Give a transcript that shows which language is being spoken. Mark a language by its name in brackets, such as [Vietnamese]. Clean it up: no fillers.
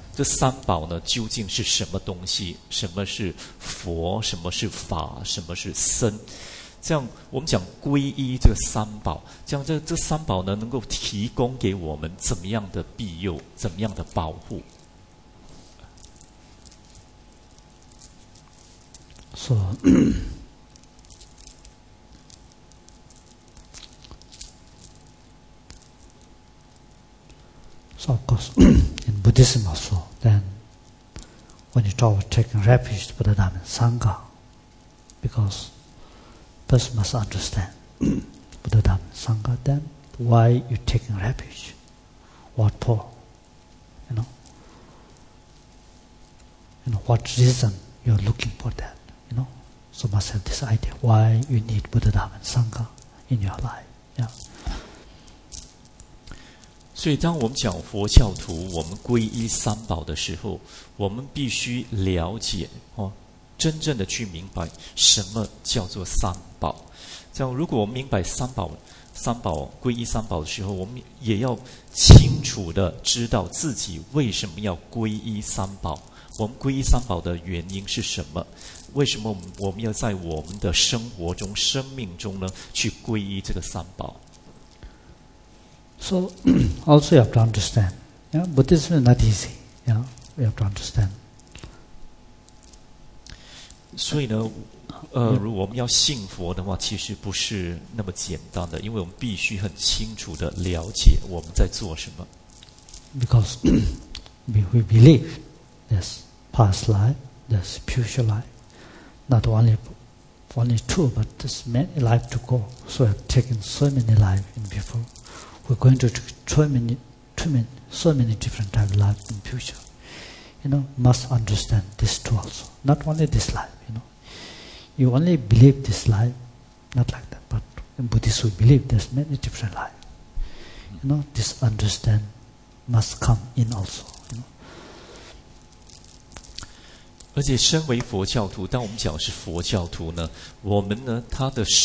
[Chinese] 这三宝呢，究竟是什么东西？什么是佛？什么是法？什么是僧？这样我们讲皈依这三宝，讲这三宝呢，能够提供给我们怎么样的庇佑，怎么样的保护？ [English] So, so of course, in Buddhism also, then when you talk about taking refuge to Buddha, Dhamma, and Sangha, because person must understand Buddha, Dhamma, and Sangha, then why you're taking refuge? What for? You know, what reason you're looking for that? So must have this idea why you need Buddha, Dhamma, and Sangha in your life. Yeah. [Chinese] 所以当我们讲佛教徒，我们皈依三宝的时候，我们必须了解，哦，真正的去明白什么叫做三宝。这样，如果我们明白三宝皈依三宝的时候，我们也要清楚地知道自己为什么要皈依三宝。我们皈依三宝的原因是什么？为什么我们要在我们的生活中、生命中呢，去皈依这个三宝 [English] ？So also you have to understand, yeah, Buddhism is not easy. Yeah, we have to understand. [Chinese] 所以呢，如果我们要信佛的话，其实不是那么简单的，因为我们必须很清楚地了解我们在做什么。 [English] Because we believe. There's past life, there's future life. Not only two, but there's many lives to go. So we have taken so many lives in before. We're going to take so many different types of lives in future. You know, must understand this too also. Not only this life, you know. You only believe this life, not like that, but in Buddhists we believe there's many different lives. You know, this understand must come in also. [Chinese] 而且身为佛教徒，当我们讲是佛教徒呢，我们呢，他的